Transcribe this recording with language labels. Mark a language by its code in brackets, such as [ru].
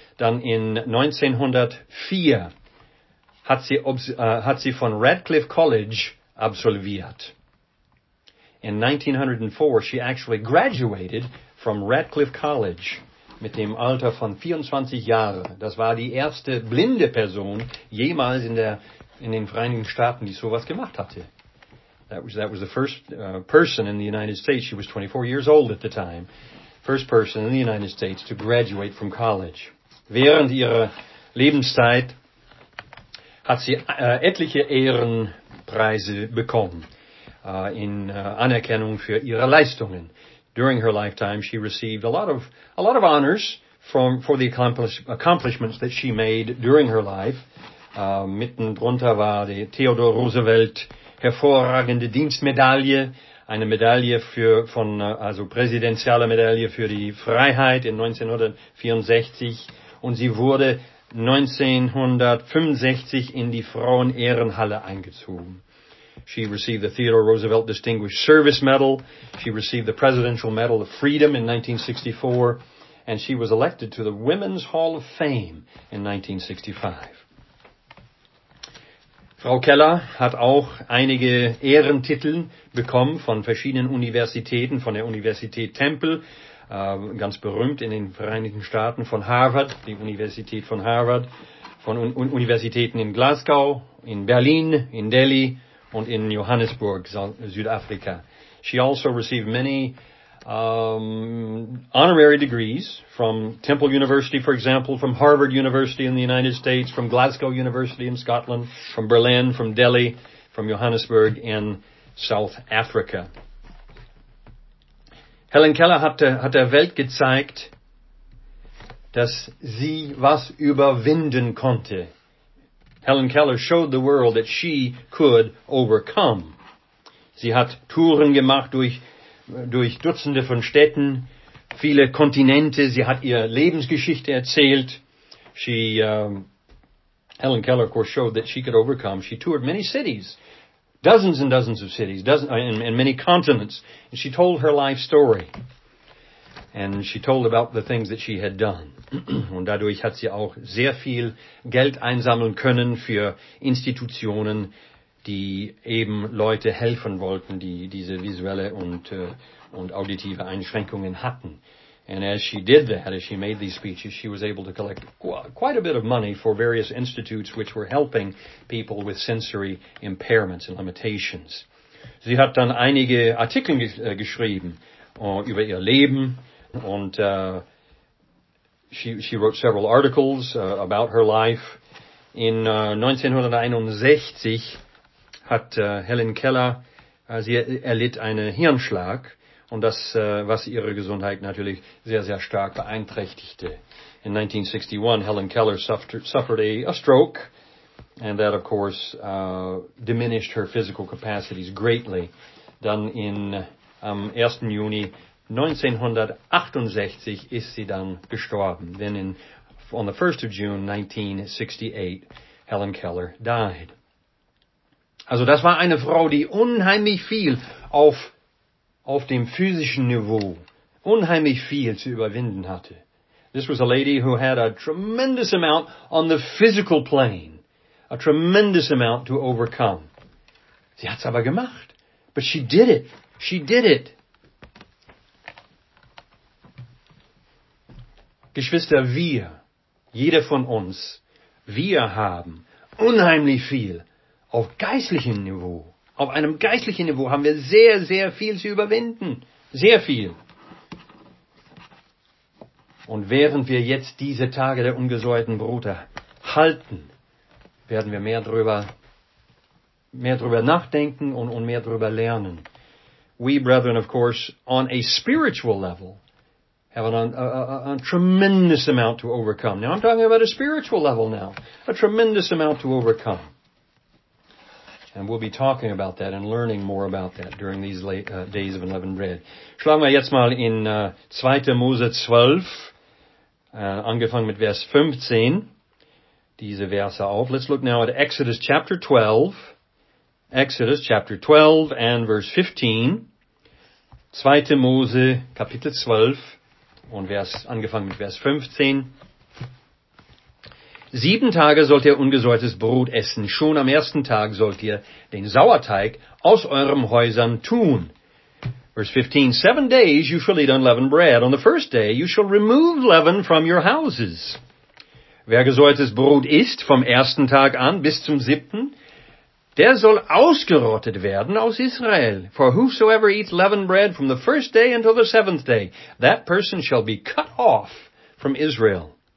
[de] Dann in 1904 hat sie von Radcliffe College absolviert. [en] In 1904, she actually graduated from Radcliffe College [de] mit dem Alter von 24 Jahren. Das war die erste blinde Person jemals in den Vereinigten Staaten, die sowas gemacht hatte. [en] That was the first person in the United States. She was 24 years old at the time. First person in the United States to graduate from college. [de] Während ihrer Lebenszeit hat sie etliche Ehrenpreise bekommen. In Anerkennung für ihre Leistungen. [en] During her lifetime, she received a lot of honors for the accomplishments that she made during her life. [de] Mitten drunter war die Theodore Roosevelt hervorragende Dienstmedaille, eine Medaille präsidentielle Medaille für die Freiheit in 1964. Und sie wurde 1965 in die Frauenehrenhalle eingezogen. [en] She received the Theodore Roosevelt Distinguished Service Medal. She received the Presidential Medal of Freedom in 1964. And she was elected to the Women's Hall of Fame in 1965. [de] Frau Keller hat auch einige Ehrentitel bekommen von verschiedenen Universitäten, von der Universität Temple, ganz berühmt in den Vereinigten Staaten, von Harvard, die Universität von Harvard, von Universitäten in Glasgow, in Berlin, in Delhi, und in Johannesburg, Südafrika. [en] She also received many honorary degrees from Temple University, for example, from Harvard University in the United States, from Glasgow University in Scotland, from Berlin, from Delhi, from Johannesburg in South Africa. [de] Helen Keller hat der Welt gezeigt, dass sie was überwinden konnte. [en] Helen Keller showed the world that she could overcome. [de] Sie hat Touren gemacht durch Dutzende von Städten, viele Kontinente. Sie hat ihre Lebensgeschichte erzählt. [en] Helen Keller, of course, showed that she could overcome. She toured many cities, dozens and dozens of cities, and many continents. And she told her life story. And she told about the things that she had done. [de] Und dadurch hat sie auch sehr viel Geld einsammeln können für Institutionen, die eben Leute helfen wollten, die diese visuelle und auditive Einschränkungen hatten. [en] And as she did that, as she made these speeches, she was able to collect quite a bit of money for various institutes which were helping people with sensory impairments and limitations. [de] Sie hat dann einige Artikel geschrieben über ihr Leben und [en] she wrote several articles about her life. [de] In 1961 hat Helen Keller, sie erlitt einen Hirnschlag und das, was ihre Gesundheit natürlich sehr, sehr stark beeinträchtigte. [en] In 1961, Helen Keller suffered a stroke and that, of course, diminished her physical capacities greatly. [de] Dann am 1. Juni 1968 ist sie dann gestorben. [en] Then on the 1st of June 1968, Helen Keller died. [de] Also das war eine Frau, die unheimlich viel auf dem physischen Niveau, unheimlich viel zu überwinden hatte. [en] This was a lady who had a tremendous amount on the physical plane. A tremendous amount to overcome. [de] Sie hat's aber gemacht. [en] But she did it. She did it. [de] Geschwister, wir, jeder von uns, wir haben unheimlich viel auf geistlichem Niveau. Auf einem geistlichen Niveau haben wir sehr, sehr viel zu überwinden. Sehr viel. Und während wir jetzt diese Tage der ungesäuerten Brote halten, werden wir mehr drüber nachdenken und mehr drüber lernen. [en] We, brethren, of course, on a spiritual level, having a tremendous amount to overcome. Now I'm talking about a spiritual level now. A tremendous amount to overcome. And we'll be talking about that and learning more about that during these late days of unleavened bread. [de] Schlagen wir jetzt mal in 2. Mose 12, angefangen mit Vers 15, diese Verse auf. [en] Let's look now at Exodus chapter 12. Exodus chapter 12 and verse 15. 2. [de] Mose Kapitel 12 und Vers, angefangen mit Vers 15. 7 Tage sollt ihr ungesäuertes Brot essen. Schon am ersten Tag sollt ihr den Sauerteig aus eurem Häusern tun. [en] Verse 15. 7 days you shall eat unleavened bread. On the first day you shall remove leaven from your houses. [de] Wer gesäuertes Brot isst vom ersten Tag an bis zum siebten, der soll ausgerottet werden aus Israel. [en] For whosoever eats leavened bread from the first day until the seventh day, that person shall be cut off from Israel.